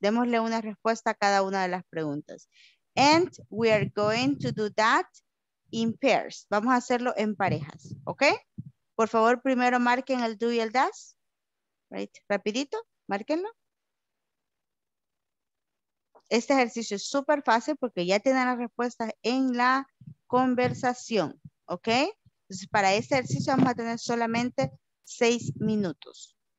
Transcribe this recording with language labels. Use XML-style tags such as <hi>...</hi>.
<es>Démosle una respuesta a cada una de las preguntas.</es> <en>And we are going to do that in pairs.</en> <es>Vamos a hacerlo en parejas, ¿ok? Por favor, primero marquen el do y el does. Right? Rapidito, márquenlo. Este ejercicio es súper fácil porque ya tienen las respuestas en la conversación, ¿ok? Entonces, para este ejercicio vamos a tener solamente 6 minutos.</es>